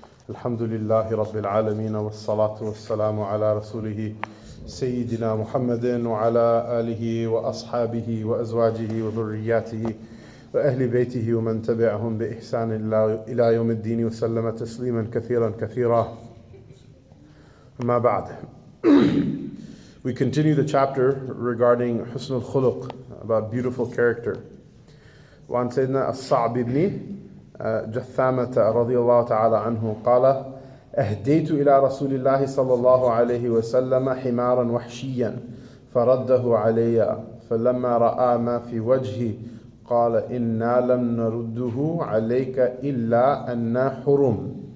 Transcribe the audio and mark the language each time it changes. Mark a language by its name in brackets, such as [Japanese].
[Arabic] الحمد لله رب العالمين، والصلاة والسلام على رسوله سيدنا محمد وعلى آله وأصحابه وأزواجه وذرياته وأهل بيته ومن تبعهم بإحسان إلى يوم الدين، وسلم تسليما كثيرا كثيرا. أما بعد، [English] we continue the chapter regarding حسن الخلق, about beautiful character. [Arabic] وعن سيدنا الصعب بن جثامة رضي الله تعالى عنه قال: أهديت إلى رسول الله صلى الله عليه وسلم حمارا وحشيا فرده علي، فلما رأى ما في وجهي قال: إنا لم نرده عليك إلا أن حرم.